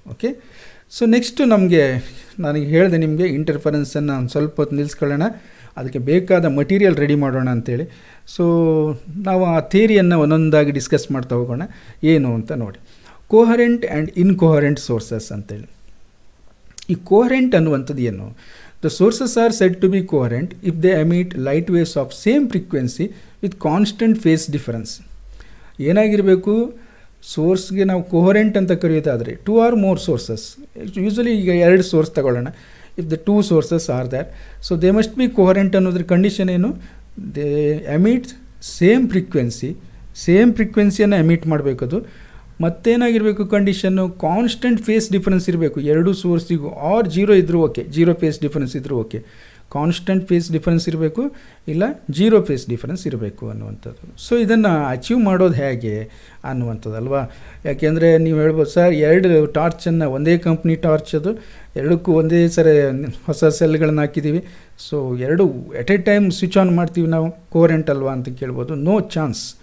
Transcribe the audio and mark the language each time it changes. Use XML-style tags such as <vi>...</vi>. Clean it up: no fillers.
<kn>Okay, so next ನಮಗೆ, ನನಗೆ ಹೇಳಿದೆ ನಿಮಗೆ ಇಂಟರ್ಫರೆನ್ಸನ್ನು ಒಂದು ಸ್ವಲ್ಪ ಹೊತ್ತು ನಿಲ್ಲಿಸ್ಕೊಳ್ಳೋಣ, ಅದಕ್ಕೆ ಬೇಕಾದ ಮಟೀರಿಯಲ್ ರೆಡಿ ಮಾಡೋಣ ಅಂತೇಳಿ. ಸೊ ನಾವು ಆ ಥಿಯರಿಯನ್ನು ಒಂದೊಂದಾಗಿ ಡಿಸ್ಕಸ್ ಮಾಡ್ತಾ ಹೋಗೋಣ, ಏನು ಅಂತ ನೋಡಿ. ಕೋಹರೆಂಟ್ ಆ್ಯಂಡ್ ಇನ್ಕೋಹರೆಂಟ್ ಸೋರ್ಸಸ್ ಅಂತೇಳಿ. ಈ ಕೋಹರೆಂಟ್ ಅನ್ನುವಂಥದ್ದು ಏನು?</kn> <en>The sources are said to be coherent if they emit light waves of same frequency with constant phase difference.</en> <kn>ಏನಾಗಿರಬೇಕು ಸೋರ್ಸ್ಗೆ ನಾವು ಕೋಹರೆಂಟ್ ಅಂತ ಕರೆಯೋದಾದರೆ two R more sources usually ಈಗ ಎರಡು ಸೋರ್ಸ್ ತಗೊಳ್ಳೋಣ</kn> <en>if the two sources are there so they must be coherent</en> <kn>ಅನ್ನೋದ್ರ condition ಏನು they emit same ಫ್ರೀಕ್ವೆನ್ಸಿಯನ್ನು emit ಮಾಡಬೇಕು ಅದು ಮತ್ತೇನಾಗಿರಬೇಕು ಕಂಡೀಷನ್ನು ಕಾನ್ಸ್ಟೆಂಟ್ ಫೇಸ್ ಡಿಫ್ರೆನ್ಸ್ ಇರಬೇಕು ಎರಡು ಸೋರ್ಸಿಗೂ ಆರ್ ಜೀರೋ ಇದ್ದರೂ ಓಕೆ ಜೀರೋ ಫೇಸ್ ಡಿಫ್ರೆನ್ಸ್ ಇದ್ದರೂ ಓಕೆ ಕಾನ್ಸ್ಟೆಂಟ್ ಫೇಸ್ ಡಿಫ್ರೆನ್ಸ್ ಇರಬೇಕು ಇಲ್ಲ ಜೀರೋ ಫೇಸ್ ಡಿಫ್ರೆನ್ಸ್ ಇರಬೇಕು ಅನ್ನುವಂಥದ್ದು ಸೊ ಇದನ್ನು ಅಚೀವ್ ಮಾಡೋದು ಹೇಗೆ ಅನ್ನುವಂಥದ್ದು ಅಲ್ವಾ ಯಾಕೆಂದರೆ ನೀವು ಹೇಳ್ಬೋದು ಸರ್ ಎರಡು ಟಾರ್ಚನ್ನು ಒಂದೇ ಕಂಪ್ನಿ ಟಾರ್ಚ್ ಅದು ಎರಡಕ್ಕೂ ಒಂದೇ ಸರಿ ಹೊಸ ಸೆಲ್ಗಳನ್ನ ಹಾಕಿದ್ದೀವಿ ಸೊ ಎರಡು at a time switch on ಮಾಡ್ತೀವಿ ನಾವು ಕೋರೆಂಟ್ ಅಲ್ವಾ ಅಂತ ಕೇಳ್ಬೋದು ನೋ ಚಾನ್ಸ್</kn>